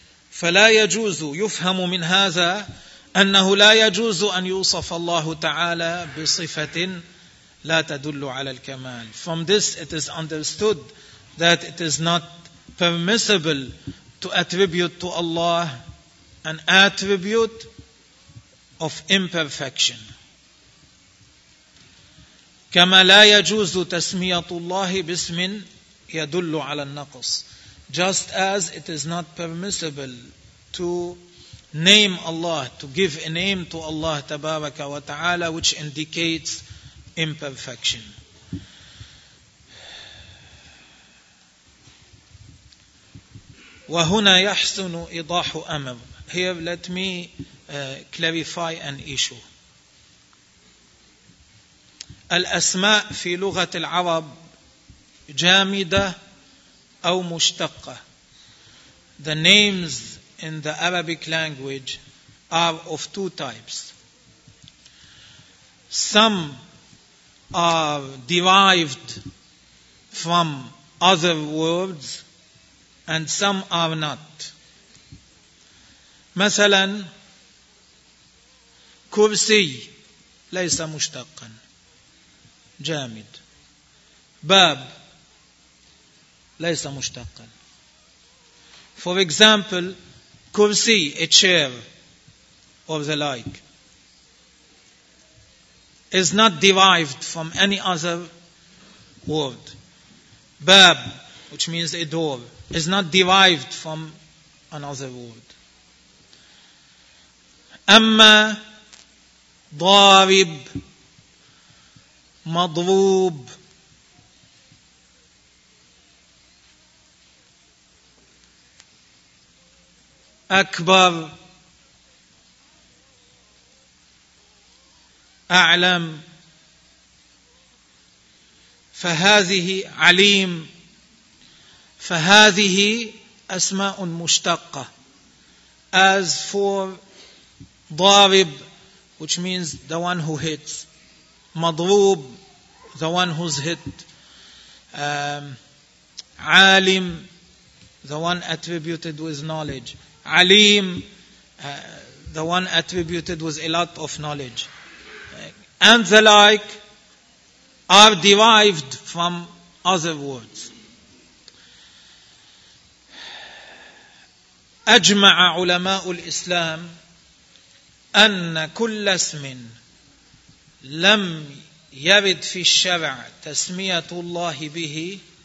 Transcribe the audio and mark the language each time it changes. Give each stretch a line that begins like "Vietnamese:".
Arabic: فلا يجوز يفهم من هذا أنه لا يجوز أن يوصف الله تعالى بصفة لا تدل على الكمال.
English: From this it is understood that it is not permissible to attribute to Allah an attribute of imperfection.
Arabic: كما لا يجوز تسمية الله باسم يدل على النقص.
English: Just as it is not permissible to name Allah, to give a name to Allah tabaraka wa ta'ala, which indicates imperfection.
Arabic: وَهُنَا يَحْسُنُ إِضَاحُ أَمْرٍ.
English: Here let me clarify an issue.
Arabic: الأسماء في لغة العرب جامدة أو مشتقة.
English: The names in the Arabic language are of two types. Some are derived from other words and some are not.
Arabic: مثلا كرسي ليس مشتقا جامد. باب ليس مشتقا.
English: For example, كرسي, a chair, or the like, is not derived from any other word. باب, which means a door, is not derived from another word.
Arabic: أما ضارب, مضروب, أكبر, أعلم, فهذه عليم, فهذه أسماء مشتقة.
English: As for ضارب, which means the one who hits, مضروب, the one who's hit, عالم, the one attributed with knowledge, Alim, the one attributed with a lot of knowledge. and the like are derived from other words.
Arabic: أجمع علماء الإسلام أن كل اسم لم يرد في الشرع تسمية الله به